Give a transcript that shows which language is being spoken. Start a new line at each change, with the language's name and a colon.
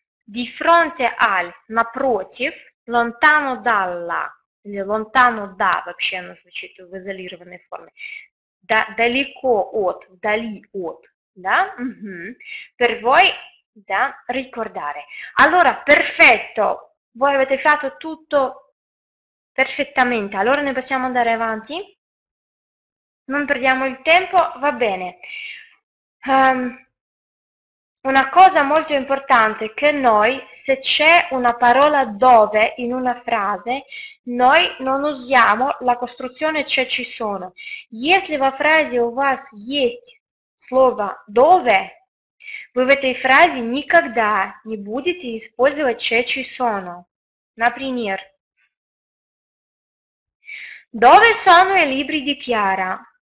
Italian: Di fronte al,
Russian: напротив,
Italian: lontano dalla,
Russian: или
Italian: lontano da,
Russian: вообще оно звучит в изолированной форме, да, далеко от, вдали от, да,
Italian: Per voi,
Russian: да, ricordare.
Italian: Allora, perfetto, voi avete fatto tutto perfettamente, allora noi possiamo andare avanti? Non perdiamo il tempo, va bene. Una cosa molto importante è che noi, se c'è una parola dove in una frase, noi non usiamo la costruzione c'è ci sono.
Russian: Если во фразе у вас есть слово dove, вы в этой фразе никогда не будете использовать
Italian: c'è ci sono. Например, dove sono i libri di Chiara?